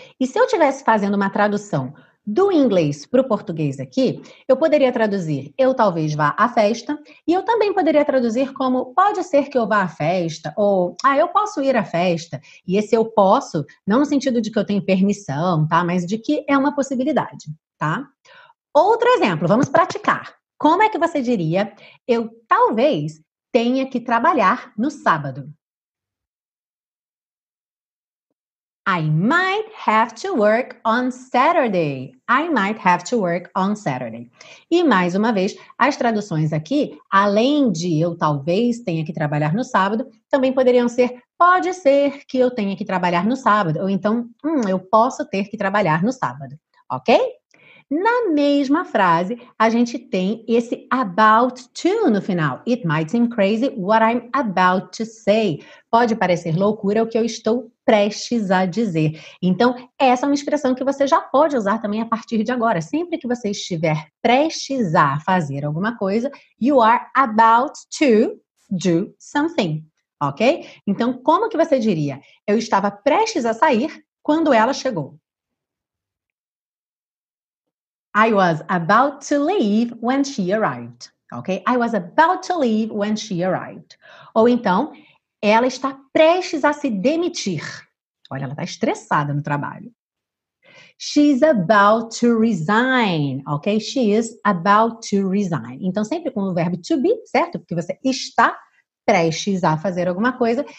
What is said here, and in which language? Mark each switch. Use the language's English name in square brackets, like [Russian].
[Portuguese] E se eu estivesse fazendo uma tradução do inglês para o português aqui, eu poderia traduzir eu talvez vá à festa, e eu também poderia traduzir como pode ser que eu vá à festa, ou ah, eu posso ir à festa, e esse eu posso, não no sentido de que eu tenho permissão, tá? Mas de que é uma possibilidade, tá? Outro exemplo, vamos praticar. Como é que você diria eu talvez tenha que trabalhar no sábado? [English] I might have to work on Saturday. I might have to work on Saturday. [Portuguese] E mais uma vez, as traduções aqui, além de eu talvez tenha que trabalhar no sábado, também poderiam ser, pode ser que eu tenha que trabalhar no sábado. Ou então, eu posso ter que trabalhar no sábado. Ok? Na mesma frase, a gente tem esse about to no final. [English] It might seem crazy what I'm about to say. [Portuguese] Pode parecer loucura o que eu estou prestes a dizer. Então, essa é uma expressão que você já pode usar também a partir de agora. Sempre que você estiver prestes a fazer alguma coisa, [English] you are about to do something, [Portuguese] ok? Então, como que você diria? Eu estava prestes a sair quando ela chegou. [English] I was about to leave when she arrived. Ok? I was about to leave when she arrived. [Portuguese] Ou então, ela está prestes a se demitir. Olha, ela está estressada no trabalho. [English] She's about to resign. [Portuguese] Ok? [English] She is about to resign. [Portuguese] Então, sempre com o verbo to be, certo? Porque você está prestes a fazer alguma coisa.